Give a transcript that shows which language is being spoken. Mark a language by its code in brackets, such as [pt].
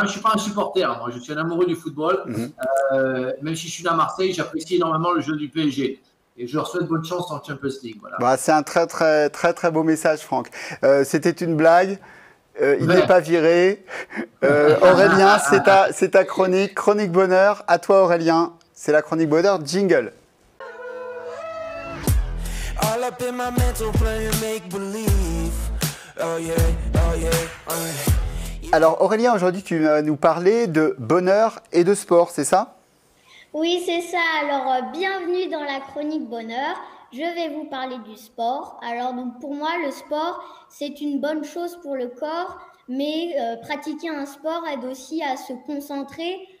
[fr] Je ne suis pas un supporter, moi. Je suis un amoureux du football. Même si je suis né à Marseille, j'apprécie énormément le jeu du PSG. Et je leur souhaite bonne chance en Champions League. Voilà. Bah, c'est un très, très, très, très beau message, Franck. C'était une blague. Il n'est pas viré. Aurélien, c'est ta chronique. Chronique bonheur. À toi, Aurélien. C'est la chronique bonheur. Jingle. [en] All up in my mental plan, make believe. Oh yeah, oh yeah, oh yeah. [fr] Alors Aurélien, aujourd'hui tu vas nous parler de bonheur et de sport, c'est ça? Oui, c'est ça. Alors bienvenue dans la chronique bonheur. Je vais vous parler du sport. Alors donc pour moi, le sport, c'est une bonne chose pour le corps, mais pratiquer un sport aide aussi à se concentrer.